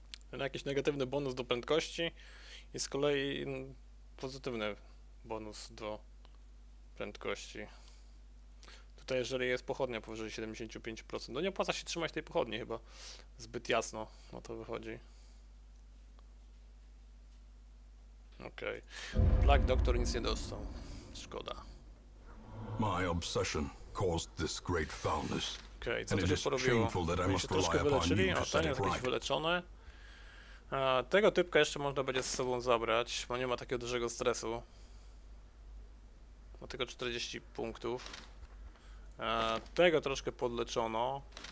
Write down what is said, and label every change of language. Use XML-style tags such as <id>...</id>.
<pl>Ten jakiś negatywny bonus do prędkości i z kolei pozytywny bonus do prędkości. Tutaj jeżeli jest pochodnia powyżej 75%, no nie opłaca się trzymać tej pochodni chyba. Zbyt jasno na to wychodzi. Okej. Okay. Black Doctor nic nie dostał. Szkoda.</pl> <en>My obsession caused this great foulness.</en> <pl>Okej, okay, co to się porobiło? My się troszkę wyleczyli, a ten jest jakieś wyleczone. Tego typka jeszcze można będzie z sobą zabrać, bo nie ma takiego dużego stresu. Ma tylko 40 punktów. Tego troszkę podleczono.</pl>